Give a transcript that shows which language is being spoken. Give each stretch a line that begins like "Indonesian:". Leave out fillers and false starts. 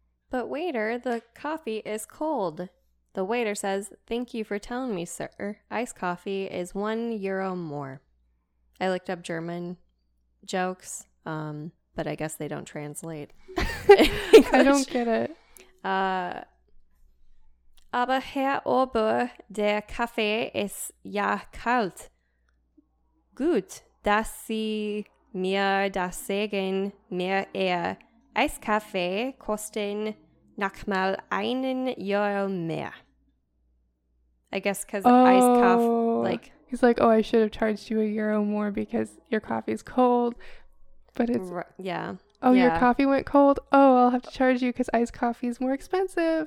English: But waiter, the coffee is cold. The waiter says, thank you for telling me, sir. Iced coffee is 1 euro more. I looked up German jokes, but I guess they don't translate. I don't get it.
German: Aber Herr Ober, der Kaffee ist ja kalt. Gut, dass Sie mir das sagen, mir eher Eiskaffee kosten nochmal einen Euro mehr.
English: I guess because he's like, oh, I should have charged you a euro more because your coffee is cold, but it's... Yeah. Oh, yeah. Your coffee went cold? Oh, I'll have to charge you because iced coffee is more expensive.